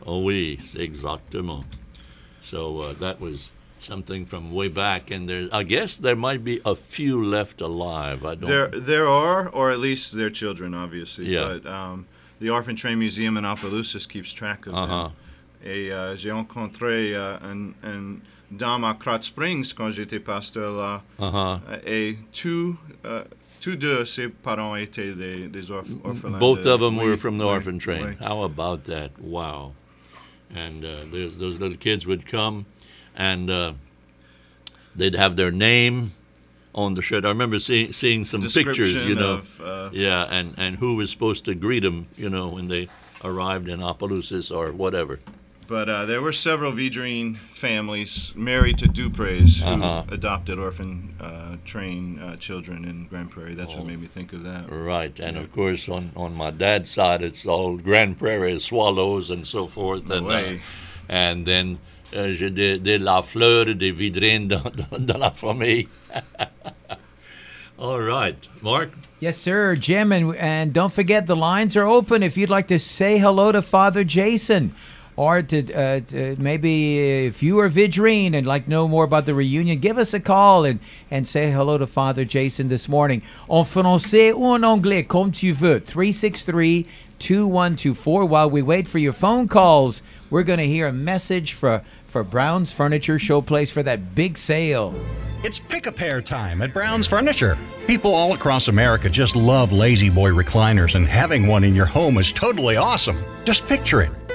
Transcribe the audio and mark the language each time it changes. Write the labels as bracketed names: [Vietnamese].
[French] Oh, oui, exactement. [English] So that was... something from way back, and I guess there might be a few left alive. There are, or at least their children, obviously. Yeah. But the Orphan Train Museum in Opelousa keeps track of uh-huh. them. [French] Et j'ai rencontré un dame à Krat Springs quand j'étais pasteur là. Uh-huh. Et tous deux, ses parents étaient des orphelins. [English] Both of them were from the Orphan Train. [French] Oui. [English] How about that? Wow. And those little kids would come. And they'd have their name on the shirt. I remember seeing some pictures, you know. And who was supposed to greet them, you know, when they arrived in Opelousas or whatever. But there were several Vidrine families married to Duprés who uh-huh. adopted orphan train children in Grand Prairie. That's what made me think of that. Right. And, of course, on my dad's side, it's all Grand Prairie Swallows and so forth. And and then... [French] j'ai de la fleur et des vidrines dans la famille. [English] All right. Mark? Yes, sir. Jim, and don't forget, the lines are open if you'd like to say hello to Father Jason. Or to maybe if you are Vidrine and like know more about the reunion, give us a call and say hello to Father Jason this morning. [French] En français ou en anglais, comme tu veux. [English] 363-2124. While we wait for your phone calls, we're going to hear a message for Brown's Furniture Showplace for that big sale. It's pick-a-pair time at Brown's Furniture. People all across America just love Lazy Boy recliners, and having one in your home is totally awesome. Just picture it.